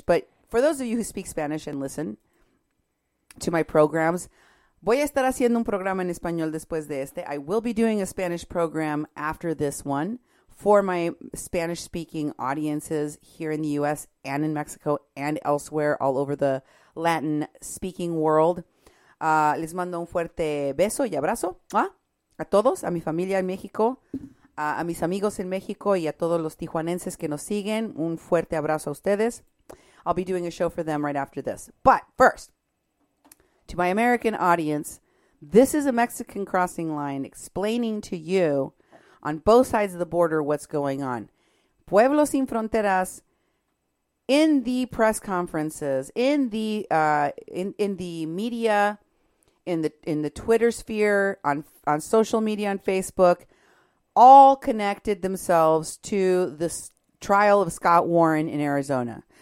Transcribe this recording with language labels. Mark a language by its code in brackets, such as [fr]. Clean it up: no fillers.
[en] But for those of you who speak Spanish and listen to my programs, [es] voy a estar haciendo un programa en español después de este. [en] I will be doing a Spanish program after this one for my Spanish-speaking audiences here in the U.S. and in Mexico and elsewhere all over the Latin-speaking world. [es] Les mando un fuerte beso y abrazo a todos, a mi familia en México, a mis amigos en México y a todos los tijuanenses que nos siguen. Un fuerte abrazo a ustedes. [en] I'll be doing a show for them right after this. But first, to my American audience, this is a Mexican crossing line explaining to you on both sides of the border, what's going on. Pueblos Sin Fronteras, in the press conferences, in the media, in the Twitter sphere, on social media, on Facebook, all connected themselves to this trial of Scott Warren in Arizona.